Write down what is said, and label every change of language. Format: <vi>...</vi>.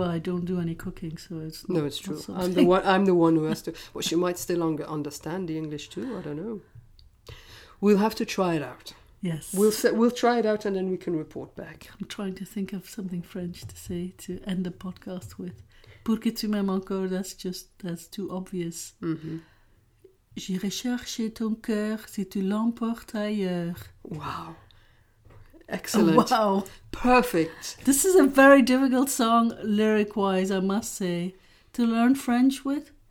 <en>well, I don't do any cooking, so it's no. It's true. I'm the one who has to. Well, she might still understand the English too. I don't know. We'll have to try it out. Yes. We'll try it out, and then we can report back. I'm trying to think of something French to say to end the podcast with.</en> <fr>Pour que tu m'aimes encore.</fr> <en>That's too obvious. Mm-hmm.</en> <fr>J'irai chercher ton cœur si tu l'emportes ailleurs.</fr> <en>Wow. Excellent. Oh, wow. Perfect. This is a very difficult song, lyric-wise, I must say, to learn French with.</en>